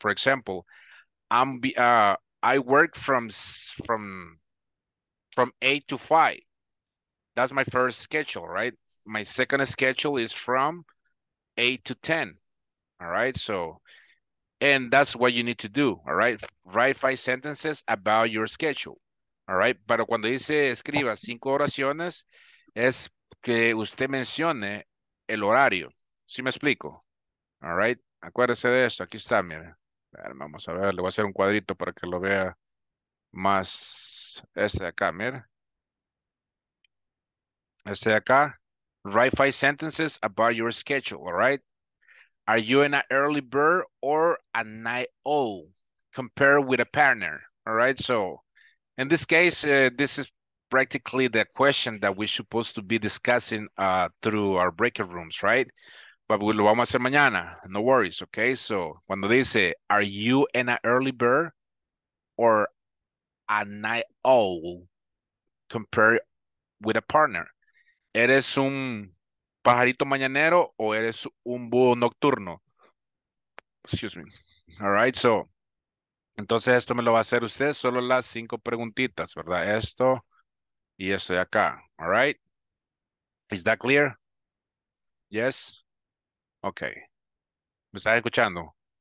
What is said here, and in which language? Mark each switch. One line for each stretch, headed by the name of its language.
English: For example, I work from 8 to 5. That's my first schedule, right? My second schedule is from 8 to 10. All right? So, and that's what you need to do, all right? Write 5 sentences about your schedule. All right,
Spanish: pero cuando dice escriba 5 oraciones, es que usted mencione el horario. ¿Sí me explico?
English: All right,
Spanish: acuérdese de eso. Aquí está, mire. Vamos a ver, le voy a hacer un cuadrito para que lo vea más. Este de acá, mire. Este de acá.
English: Write 5 sentences about your schedule, all right? Are you an early bird or a night owl? Compare with a partner, all right? So, in this case, this is practically the question that we're supposed to be discussing through our breakout rooms, right? But we'll
Spanish: vamos a hacer mañana.
English: No worries, okay? So,
Spanish: cuando dice,
English: are you an early bird or a night owl compared with a partner?
Spanish: ¿Eres un pajarito mañanero o eres un búho nocturno?
English: Excuse me. All right, so...
Spanish: Entonces, esto me lo va a hacer usted, solo las 5 preguntitas, ¿verdad? Esto y esto de acá,
English: all right? Is that clear? Yes? Okay.
Spanish: ¿Me estás escuchando?